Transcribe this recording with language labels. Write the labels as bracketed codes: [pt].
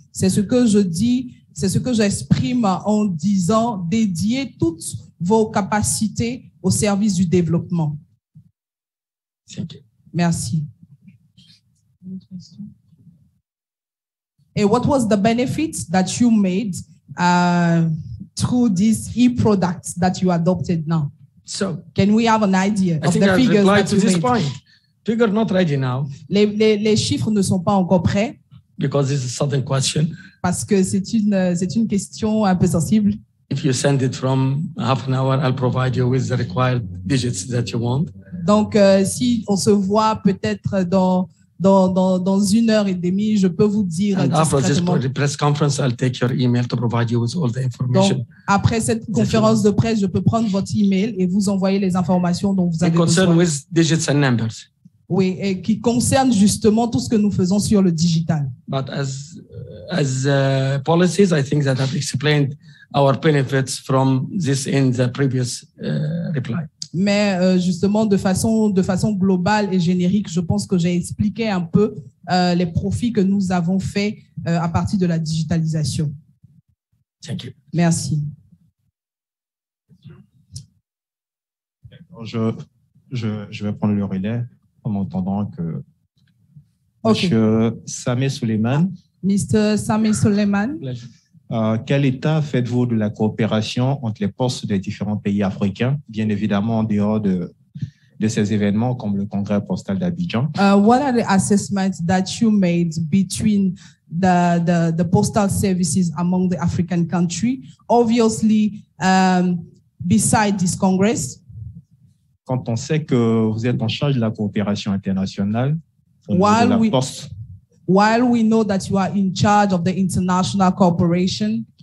[fr] C'est ce que je dis. C'est ce que j'exprime en disant dédier toutes vos capacités au service du développement. [en] Thank you. [fr] Merci. [en] Et what was the benefit that you made through this e-product that you adopted now? So, can we have an idea of the figures that you made? I think I replied to this point. figure not ready now. [fr] Les chiffres ne sont pas encore prêts. [en] Because it's a certain question. [fr] Parce que c'est une question un peu sensible. [en] If you send it from half an hour, I'll provide you with the required digits that you want. [fr] Donc, si on se voit peut-être dans une heure et demie, je peux vous dire discrètement. Après cette conférence de presse, je peux prendre votre email et vous envoyer les informations dont vous avez besoin. [en] And with digits and numbers. [fr] Oui, et qui concerne justement tout ce que nous faisons sur le digital. [en] But as policies, I think that I've explained our benefits from this in the previous reply. [fr] Mais justement, de façon globale et générique, je pense que j'ai expliqué un peu les profits que nous avons faits à partir de la digitalisation. [en] Thank you. [fr] Merci. Je vais prendre le relais en entendant que Monsieur Sameh Souleymane. [en] Mr. Sameh Souleymane. [fr] Quel état faites-vous de la coopération entre les postes des différents pays africains, bien évidemment en dehors de ces événements comme le congrès postal d'Abidjan? [en] What are the assessments that you made between the postal services among the African countries, obviously beside this congress? [fr] Quand on sait que vous êtes en charge de la coopération internationale, de la poste. [en] While we know that you are in charge of the international cooperation,